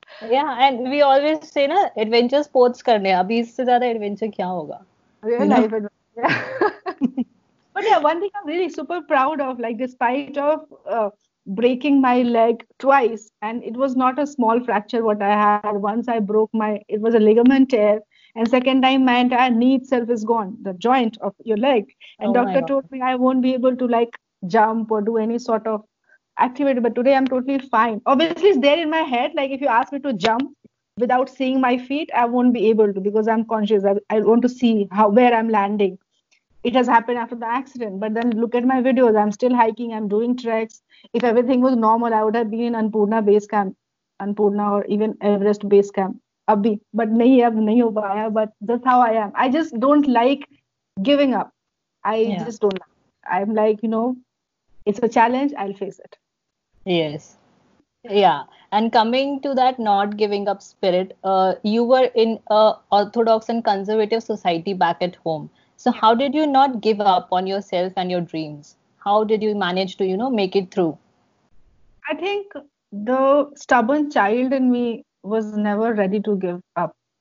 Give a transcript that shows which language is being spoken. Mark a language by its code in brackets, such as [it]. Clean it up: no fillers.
[en] Yeah, and we always say [hi] ना adventure sports करने हैं अभी इससे ज्यादा एडवेंचर क्या होगा [en] real life adventure. But yeah, one thing I'm really super proud of, like despite of breaking my leg twice, and it was not a small fracture what I had. Once I broke my, it was a ligament tear. And second time, my entire knee itself is gone, the joint of your leg. And Oh my doctor God. told me I won't be able to like jump or do any sort of activity. But today I'm totally fine. Obviously, it's there in my head. Like if you ask me to jump without seeing my feet, I won't be able to because I'm conscious. I want to see how where I'm landing. It has happened after the accident. But then look at my videos. I'm still hiking. I'm doing treks. If everything was normal, I would have been in Annapurna base camp, Annapurna or even Everest base camp. [hi] अभी but नहीं अब नहीं हो पाया [en] But that's how I am I just don't like giving up I just don't I am like you know it's a challenge I will face it Yes. Yeah, and coming to that not giving up spirit, you were in a Orthodox and conservative society back at home. So how did you not give up on yourself and your dreams? How did you manage to, make it through? I think the stubborn child in me was never ready to give up.